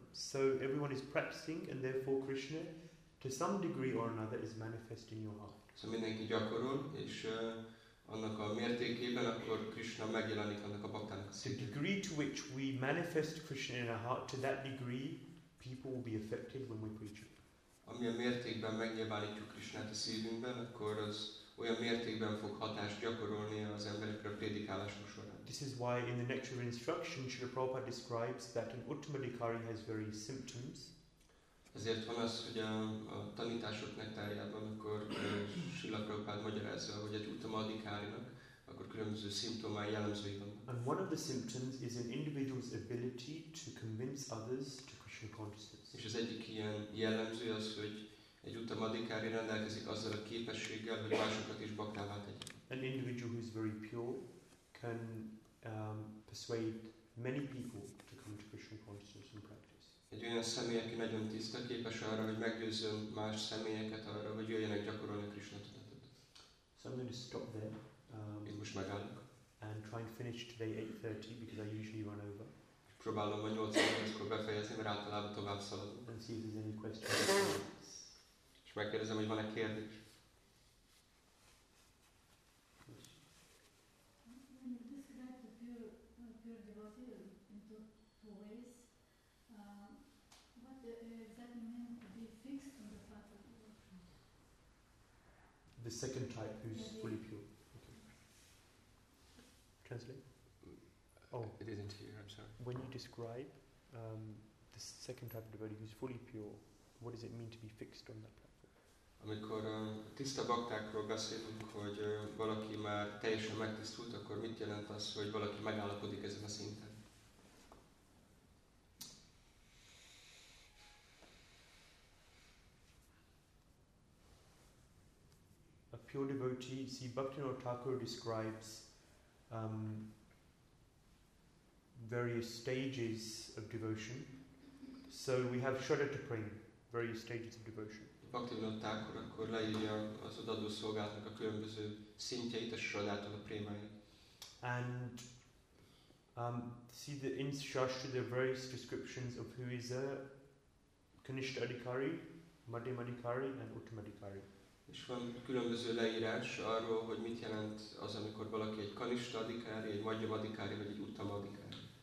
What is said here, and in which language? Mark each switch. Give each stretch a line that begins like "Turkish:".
English: So everyone is practicing and therefore Krishna to some degree or another is manifest in your heart.
Hungarian: So mindenki gyakorol, és annak a mértékében, akkor Krishna megjelenik annak a baktának.
English: The degree to which we manifest Krishna in our heart, to that degree, people will be affected when we preach it.
Hungarian: Amilyen mértékben megnyilvánítjuk Krishnát a szívünkben, akkor az olyan mértékben fog hatást gyakorolni az emberekre a prédikálásunk során.
English: This is why in the nature of instruction, Srila Prabhupada describes that an Uttamadikari has various symptoms.
Hungarian: Ezért van az, hogy a tanítások nektárjában, akkor Srila Prabhupada magyarázza, hogy egy Uttamadikárinak, akkor különböző szimptomái jellemzői vannak.
English: And one of the symptoms is an individual's ability to convince others to Krishna consciousness.
Hungarian: És az egyik ilyen jellemző az, hogy egy Uttamadikári rendelkezik azzal a képességgel, hogy másokat is baktává tegyen.
English: An individual who is very pure can persuade many people to come to Krishna consciousness and practice.
Hungarian: Egy olyan személy, aki nagyon tiszta, képes arra, hogy meggyőzzön más személyeket arra, hogy jöjjenek gyakorolni a Krishna tudatot.
English: So I'm going to stop there.
Hungarian: Én most megállok.
English: And try and finish today 8:30 because I usually run over.
Hungarian: Próbálom majd 8:30-kor befejezni, mert általában tovább szaladunk.
English: And see if there's any questions.
Hungarian: És megkérdezem, hogy van-e kérdés.
English: The second type who's fully pure. Okay. Translate? Oh, it isn't here, I'm sorry. When you describe the second type of devotee who's fully pure, what does it mean to be fixed on that platform?
Hungarian: Amikor tiszta baktákról beszélünk, hogy valaki már teljesen megtisztult, akkor mit jelent az, hogy valaki megállapodik ezen a szinten?
English: Pure devotee, see, Bhaktivinoda Thakur describes various stages of devotion. So we have Shraddha to Prem, various stages of devotion.
Hungarian: Bhaktivinoda Thakur akkor leírja az odaadó szolgálatnak a különböző szintjeit, a Shraddhától a Prémáig.
English: And see, the in Shastra there are various descriptions of who is a Kanishtha Adhikari, Madhyam Adhikari and Uttam Adhikari.
Hungarian: És van különböző leírás arról, hogy mit jelent az, amikor valaki egy kanista adikári, egy madhyama adikári, vagy egy uttama adikári.